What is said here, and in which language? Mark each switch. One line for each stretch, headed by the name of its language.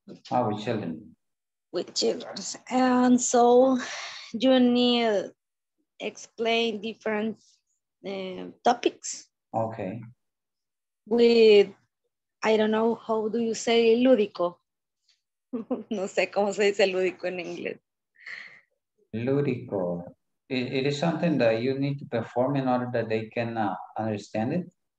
English: Oh, with children. With children. And so you need explain different topics. Okay. With, I don't know, how do you say lúdico?
Spanish: No sé cómo se dice lúdico en inglés. Lúdico.
English: It is something that you need to perform in order that they can understand it?